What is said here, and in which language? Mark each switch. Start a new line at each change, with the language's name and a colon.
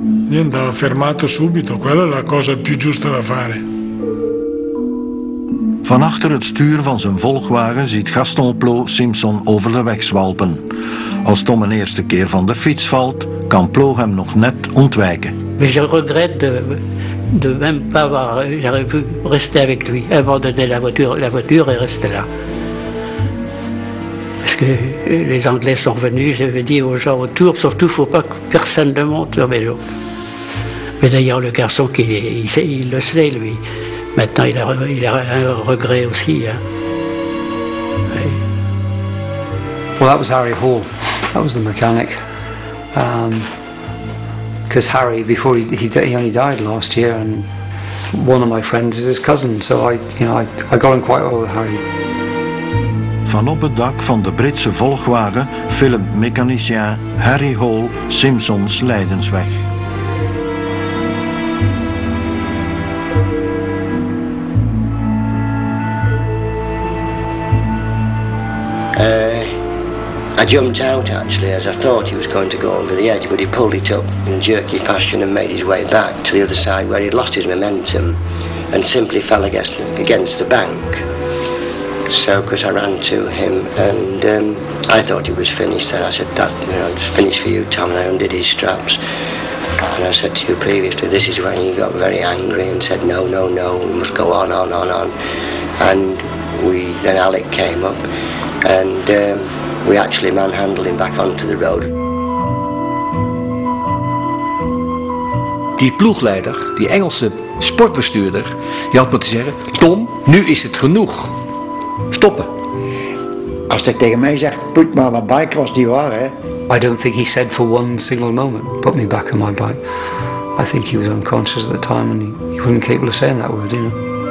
Italian: Andava fermato subito, quella è la cosa più giusta da fare.
Dutch: Van achter het stuur van zijn volgwagen ziet Gaston Plo Simpson over de weg zwalpen. Als Tom een eerste keer van de fiets valt, kan Plo hem nog net ontwijken.
French: Mais je regrette de même pas avoir j'aurais pu rester avec lui avant de donner la voiture est restée là. Parce que les Anglais sont venus, j'avais dit aux gens autour, surtout faut pas que personne ne monte sur vélo. Mais d'ailleurs, le garçon, il le sait, lui. Maintenant, il a un regret aussi. Hein. Oui.
English: Well, that was Harry Hall. That was the mechanic. Because Harry, before he only died last year, and one of my friends is his cousin, so I got on quite well with Harry.
Dutch: Van op het dak van de Britse volgwagen filmt mechanicien Harry Hall Simpsons lijdensweg.
English: I jumped out actually as I thought he was going to go over the edge, but he pulled it up in jerky fashion and made his way back to the other side where he'd lost his momentum and simply fell against the bank. So of course I ran to him and I thought he was finished then. I said, "That, you know, it's finished for you, Tom," and I undid his straps. And I said to you previously, this is when he got very angry and said, no, we must go on. And then Alec came up. And we actually manhandled him back onto the road.
Dutch: die ploegleider, die Engelse sportbestuurder, die had moeten zeggen, Tom, nu is het genoeg. Stoppen. Als hij tegen mij zegt,
English: put me on my bike,
Dutch: was die waar, hè?
English: I don't think he said for one single moment, put me back on my bike. I think he was unconscious at the time and he wasn't capable of saying that word, you know.